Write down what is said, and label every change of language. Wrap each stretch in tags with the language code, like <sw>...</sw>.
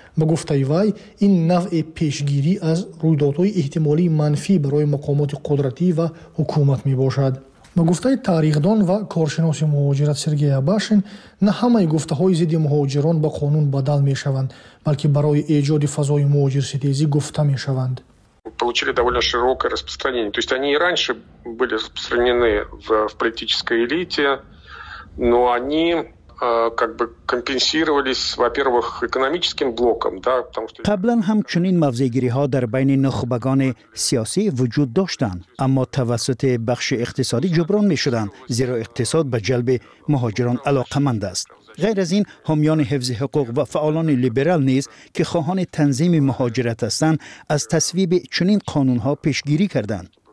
<fa>به گفته وی این نوع پیشگیری از رویدادهای احتمالی منفی برای مقامات قدرتی و حکومت می‌باشد. به گفته تاریخ‌دان و کارشناس مهاجرت سرگئی آباشین، نه همه گفته‌های ضد مهاجران به قانون بدل می‌شوند، بلکه برای ایجاد فضای مهاجرستیزی گفته می‌شوند.</fa> <ru>получили довольно широкое распространение. То есть они и раньше были распространены в политической элите, но они как бы компенсировались, во-первых, экономическим блоком, да, потому что</ru> <fa>قبلاً همچنین موضع‌گیری‌ها در بین نخبگان سیاسی وجود داشتند، اما توسط بخش اقتصادی جبران می‌شدند، زیرا اقتصاد به جلب مهاجران علاقه‌مند است. غیر از این، حامیان حفظ حقوق و فعالان لیبرال نیز که خواهان تنظیم مهاجرت هستند، از تصویب چنین قانون‌ها پیشگیری کردند.</fa>